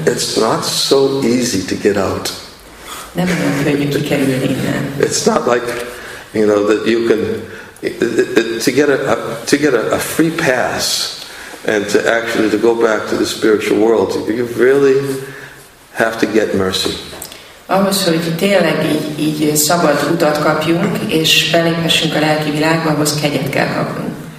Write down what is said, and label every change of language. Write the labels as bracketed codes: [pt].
[en] It's not so easy to get out. [hu] Nem olyan könnyű kikerülni innen. [en] It's not like... You know that you can to get a free pass and to actually to go back to the spiritual world. You really have to get mercy. [hu] Ahhoz, hogy tényleg így szabad utat kapjunk és beléphessünk a lelki világba, ahhoz kegyet kell kapnunk.